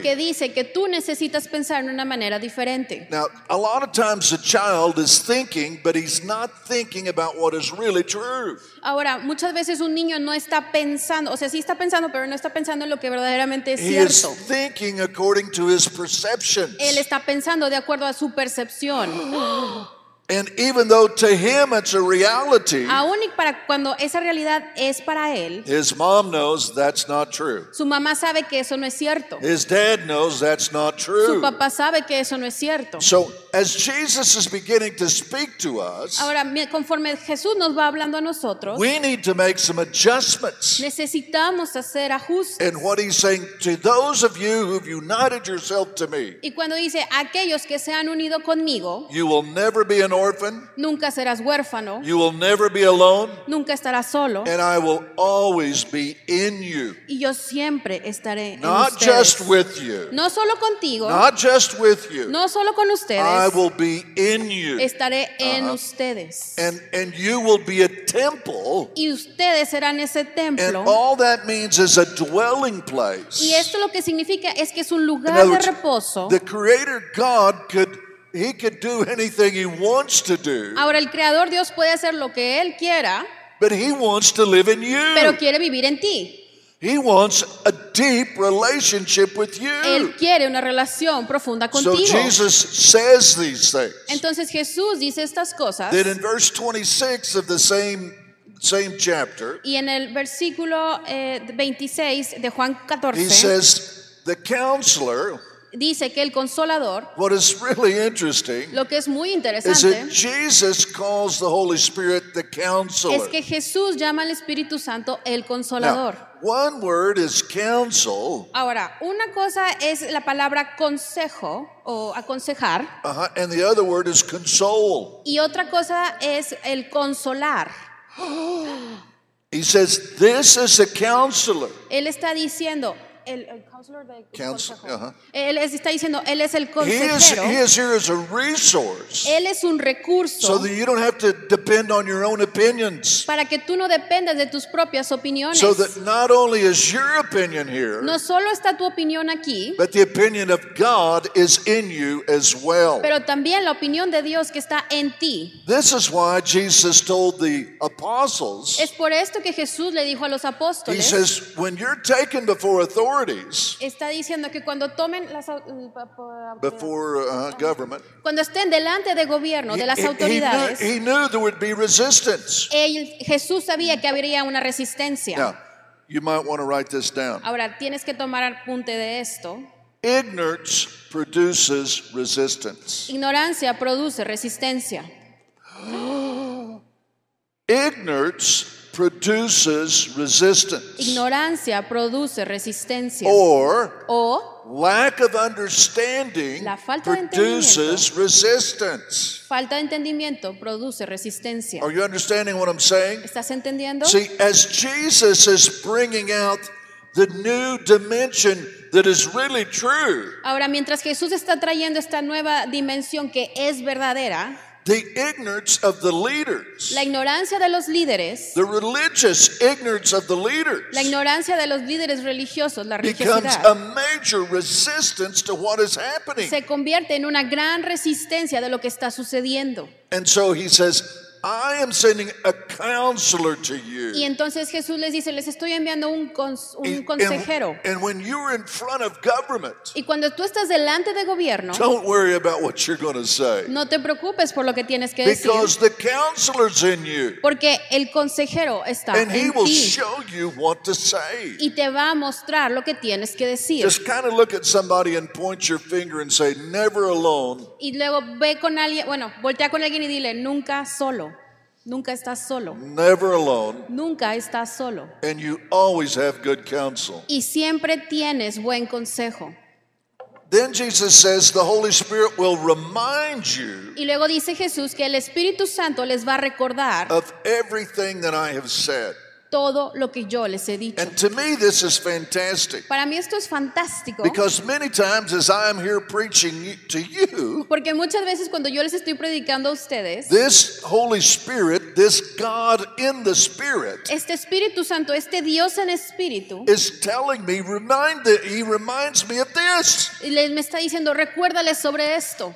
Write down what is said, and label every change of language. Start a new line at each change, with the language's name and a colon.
Spanish: Que dice que tú necesitas pensar en una manera diferente.
English: Now, a lot of times a child is thinking, but he's not thinking about what is really true.
Spanish: Ahora, muchas veces un niño no está pensando, o sea, sí está pensando, pero no está pensando en lo que verdaderamente es
English: he
Spanish: cierto.
English: He is thinking according to his perceptions.
Spanish: Él está pensando de acuerdo a su percepción.
English: And even though to him it's a reality,
Spanish: aun y para cuando esa realidad es para él,
English: his mom knows that's not true.
Spanish: Su mamá sabe que eso no es cierto.
English: His dad knows that's not true.
Spanish: Su papá sabe que eso no es cierto.
English: So as Jesus is beginning to speak to us,
Spanish: ahora, conforme Jesús nos va hablando a nosotros,
English: we need to make some adjustments.
Spanish: Necesitamos hacer ajustes.
English: And what he's saying to those of you who've united yourself to me,
Spanish: y cuando dice, aquellos que se han unido conmigo,
English: you will never be an orphan.
Spanish: Nunca serás huérfano.
English: You will never be alone.
Spanish: Nunca estarás solo.
English: And I will always be in you.
Spanish: Y yo siempre estaré
English: not
Spanish: en ustedes.
English: Just with you.
Spanish: No solo contigo.
English: Not just with you.
Spanish: No solo con ustedes.
English: I will be in you.
Spanish: Estaré en ustedes.
English: And you will be a temple.
Spanish: Y ustedes serán ese templo.
English: And all that means is a dwelling place.
Spanish: Y esto lo que significa es que es un lugar de reposo.
English: The Creator God could. He could do anything he wants to do.
Spanish: Ahora el creador Dios puede hacer lo que él quiera.
English: But he wants to live in you.
Spanish: Pero quiere vivir en ti.
English: He wants a deep relationship with you.
Spanish: Él quiere una relación profunda contigo.
English: So Jesus says these things.
Spanish: Entonces Jesús dice estas cosas.
English: Then in verse 26 of the same chapter.
Spanish: Y en el versículo 26 de Juan 14.
English: He says the counselor.
Spanish: Dice que el consolador.
English: What is really interesting,
Spanish: lo que es muy interesante,
English: is that Jesus calls the Holy Spirit the counselor.
Spanish: Es que Jesús llama al Espíritu Santo el consolador.
English: Now, one word is counsel.
Spanish: Ahora, una cosa es la palabra consejo o aconsejar.
English: And the other word is console.
Spanish: Y otra cosa es el consolar.
English: He says, this is a counselor.
Spanish: Él está diciendo, el consejo. Él está diciendo, él es el consejero.
English: He is here as a resource.
Spanish: Él es un recurso.
English: So that you don't have to depend on your own opinions.
Spanish: Para que tú no dependas de tus propias opiniones.
English: So that not only is your opinion here.
Spanish: No solo está tu opinión aquí.
English: But the opinion of God is in you as well.
Spanish: Pero también la opinión de Dios que está en ti.
English: This is why Jesus told the apostles.
Spanish: Es por esto que Jesús le dijo a los apóstoles.
English: He says, when you're taken before authorities.
Spanish: Está diciendo que cuando tomen las
English: before government
Spanish: cuando estén delante de gobierno de las autoridades
English: he knew there would be resistance.
Spanish: Jesús sabía que habría una resistencia.
English: Now, you might want to write this down.
Spanish: Ahora tienes que tomar apunte de esto.
English: Ignorance produces resistance.
Spanish: Ignorancia produce resistencia.
English: Ignorance produces resistance.
Spanish: Ignorancia produce resistencia.
English: Or
Spanish: o
English: lack of understanding
Spanish: la falta
English: produces
Spanish: de
English: resistance.
Spanish: Falta de entendimiento produce resistencia.
English: Are you understanding what I'm saying?
Spanish: ¿Estás entendiendo?
English: See, as Jesus is bringing out the new dimension that is really true.
Spanish: Ahora, mientras Jesús está trayendo esta nueva dimensión que es verdadera.
English: The ignorance of the leaders.
Spanish: La ignorancia de los líderes.
English: The religious ignorance of the leaders.
Spanish: La ignorancia de los líderes religiosos, la religiosidad.
English: Becomes a major resistance to what is happening.
Spanish: Se convierte en una gran resistencia de lo que está sucediendo.
English: And so he says, I am sending a counselor to you.
Spanish: Y entonces Jesús les dice, les estoy enviando un consejero.
English: And when you're in front of government,
Spanish: y cuando tú estás delante de gobierno,
English: don't worry about what you're going to say.
Spanish: No te preocupes por lo que tienes que
English: because
Spanish: decir.
English: Because the counselor's in you.
Spanish: Porque el consejero está
English: and
Spanish: en ti.
English: And he will show you what to say.
Spanish: Y te va a mostrar lo que tienes que decir.
English: Just kind of look at somebody and point your finger and say, never alone.
Spanish: Y luego ve con alguien, bueno, voltea con alguien y dile, nunca solo. Nunca estás solo.
English: Never alone.
Spanish: Nunca estás solo.
English: And you always have good counsel.
Spanish: Y siempre tienes buen consejo.
English: Then Jesus says the Holy Spirit will remind you.
Spanish: Y luego dice Jesús que el Espíritu Santo les va a recordar
English: of everything that I have said.
Spanish: Todo lo que yo les he dicho.
English: And to me this is fantastic.
Spanish: Para mí esto es fantástico.
English: Because many times as I am here preaching to you.
Spanish: Porque muchas veces cuando yo les estoy predicando a ustedes.
English: This Holy Spirit, this God in the Spirit.
Spanish: Este Espíritu Santo, este Dios en Espíritu.
English: Is telling me, he reminds me of this.
Spanish: Y les me está diciendo, recuérdales sobre esto.